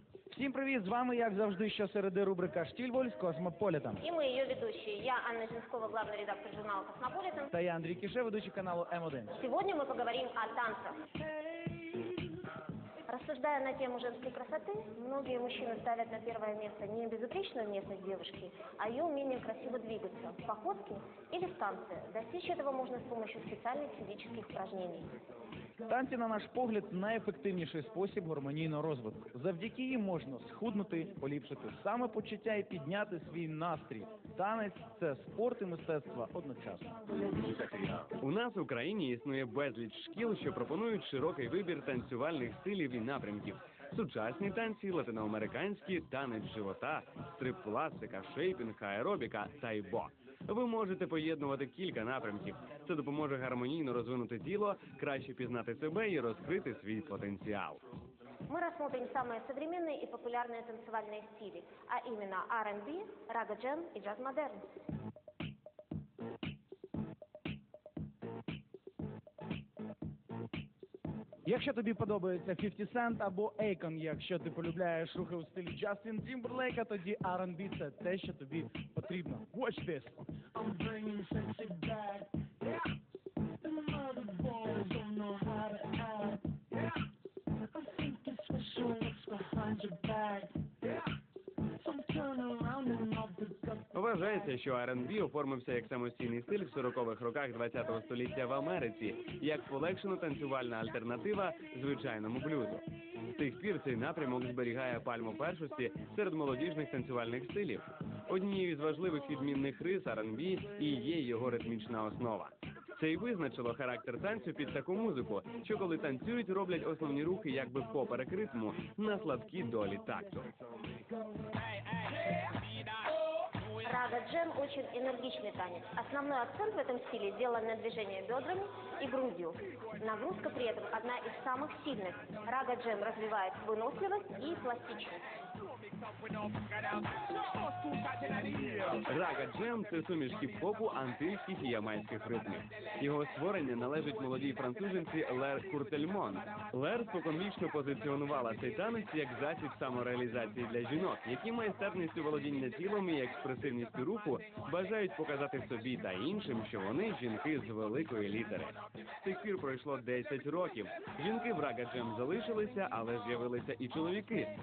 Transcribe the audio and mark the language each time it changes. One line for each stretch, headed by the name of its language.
Ukrainian: Всім привіт, з вами, як завжди, щосереди рубрика «Штіль Воль» з «Космополітом». І ми її ведучі. Я Анна Жінськова, главний редактор журналу «Космополітом». Та я Андрій Кіше, ведучий каналу «М1». Сьогодні ми поговоримо о танцях.
Russian: Рассуждая на тему женской красоты, многие мужчины ставят на первое место не безупречную внешность девушки, а ее умение красиво двигаться, в походке или в танце. Достичь этого можно с помощью специальных физических упражнений.
Ukrainian: Танці, на наш погляд, найефективніший спосіб гармонійного розвитку. Завдяки їм можна схуднути, поліпшити саме почуття і підняти свій настрій. Танець – це спорт і мистецтво одночасно. У нас в Україні існує безліч шкіл, що пропонують широкий вибір танцювальних стилів і напрямків. Сучасні танці, латиноамериканські, танець живота, стрип-пластика, шейпінг, аеробіка, тайбо. Ви можете поєднувати кілька напрямків. Це допоможе гармонійно розвинути тіло, краще пізнати себе і розкрити свій потенціал. Ми розглянемо самі сучасні і популярні танцювальні стилі, а іменно R&B, Рага Джем і Джаз Модерн. Якщо тобі подобається 50 Cent або Akon, якщо ти полюбляєш рухи у стилі Джастін Тімберлейка, тоді R&B – це те, що тобі потрібно.
English: Watch this! I'm bringing sexy back, yeah. And my other boys don't know how to act, yeah. I think it's special what's behind your back, yeah. So turn around and I'll pick up.
Ukrainian: Вважається, що R&B оформився як самостійний стиль в 40-х роках 20-го століття в Америці, як полегшена танцювальна альтернатива звичайному блюзу. З тих пір цей напрямок зберігає пальму першості серед молодіжних танцювальних стилів. Однією з важливих відмінних рис R&B і є його ритмічна основа. Це й визначило характер танцю під таку музику, що коли танцюють, роблять основні рухи якби поперек ритму, на слабкі долі такту.
Russian: Рага Джем – очень энергичный танец. Основной акцент в этом стиле сделан на движении бедрами и грудью. Нагрузка при этом одна из самых сильных. Рага Джем развивает выносливость и пластичность. Рага Джем – это сумесь хип-хопу, антильских и ямайских ритмов. Его создание належит молодой француженке Лер Куртельмон.
Ukrainian: Лер споконвічно позиціонувала цей танець як засіб самореалізації для жінок, які майстерністю володіння тілом і експресивністю руху бажають показати собі та іншим, що вони жінки з великої літери. З тих пір пройшло 10 років. Жінки в Рага Джем залишилися, але з'явилися і чоловіки.